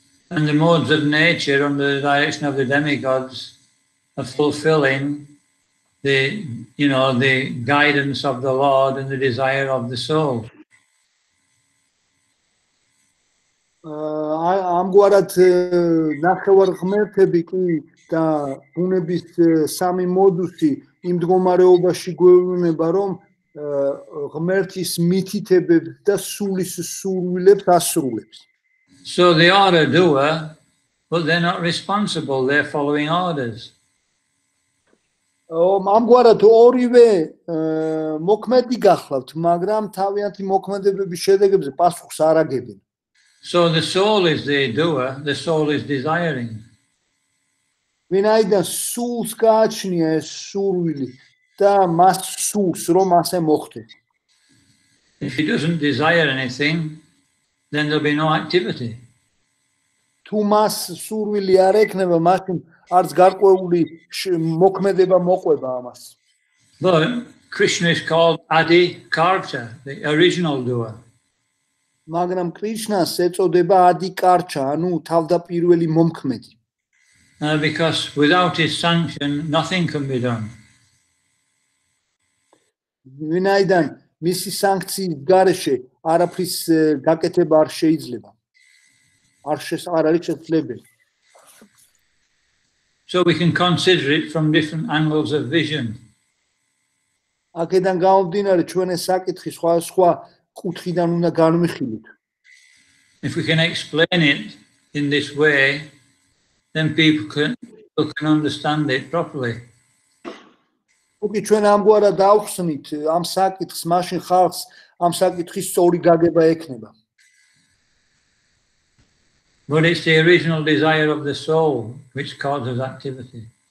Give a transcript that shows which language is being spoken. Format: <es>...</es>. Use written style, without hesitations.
<en>And the modes of nature under the direction of the demigods are fulfilling the, you know, the guidance of the Lord and the desire of the soul.</en> <ka>ამგვარად ნახევარ ღმერთები კი და ბუნების სამი მოდუსი იმ მდგომარეობაში გვევლინება რომ ღმერთის მითითებებს და სულის სურვილებს ასრულებს.</ka> <en>So they are a doer, but they're not responsible, they're following orders.</en> <ka>ამგვარად ორივე მოქმედი გახლავთ, მაგრამ თავიანთი მოქმედებების შედეგებზე პასუხს არ აგებენ.</ka> <en>So the soul is the doer, the soul is desiring.</en> <ka>ვინაიდან სულს გააჩნია ეს სურვილი და მას სურს რომ ასე მოხდეს.</ka> <en>If he doesn't desire anything, then there'll be no activity.</en> <ka>თუ მას სურვილი არ ექნება, მაშინ არც გარკვეული მოქმედება მოყვება ამას.</ka> <en>But Krishna is called Adi Karcha, the original doer.</en> <ka>მაგრამ კრიშნას ეწოდება Adi Karcha, ანუ თავდაპირველი მომქმედი.</ka> <en>Because without his sanction nothing can be done.</en> <ka>ვინაიდან მისი სანქციის გარეშე არაფრის გაკეთება არ შეიძლება. არ არის შესაძლებელი.</ka> <en>So we can consider it from different angles of vision.</en> <ka>აქედან გამომდინარე ჩვენ ეს საკითხი სხვადასხვა კუთხიდან უნდა განვიხილოთ.</ka> <en>If we can explain it in this way, then people can understand it properly.</en> <ka>Okay, ჩვენ ამგვარად დავხსნით ამ საკითხს, მაშინ ხალხს ამ საკითხის სწორი გაგება ექნება.</ka> <en>But it's the original desire of the soul which causes activity.</en>